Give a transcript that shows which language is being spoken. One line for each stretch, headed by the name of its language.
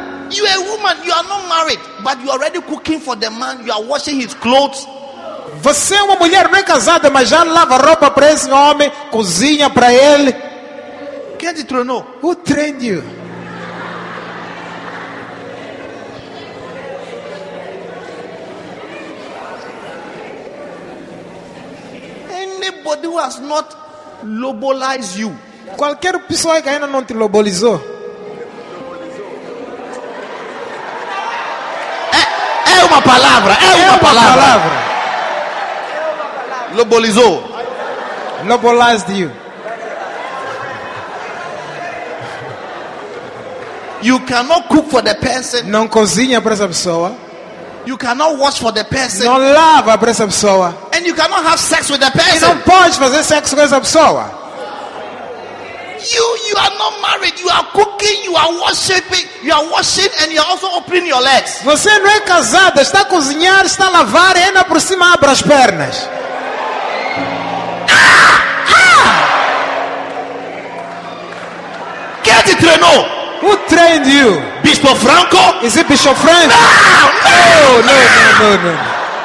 English: You are a woman, you are not married, but you are already cooking for the man, you are washing his clothes.
Portuguese: Você é uma mulher, não é casada, mas já lava roupa para esse homem, cozinha para ele. Quem te treinou?
English: Who trained you? Anybody who has not lobolized you.
Portuguese: Qualquer pessoa que ainda não te lobolizou. É uma palavra. Lobolizou.
English: Lobolized you. You cannot cook for the person.
Portuguese: Não cozinha para essa pessoa.
English: You cannot wash for the person.
Portuguese: Não lava para essa pessoa.
English: And you cannot have sex with the person.
Portuguese: E não pode fazer sexo com essa pessoa.
English: You you are not married, you are cooking, you are worshiping, you are washing, and you are also opening your legs.
Portuguese: Você não é casada, está a cozinhar, está a lavar, e ainda por cima abre as pernas. Quem te treinou?
English: Who trained you?
Portuguese: Bispo Franco?
English: Is it Bishop Franco? No.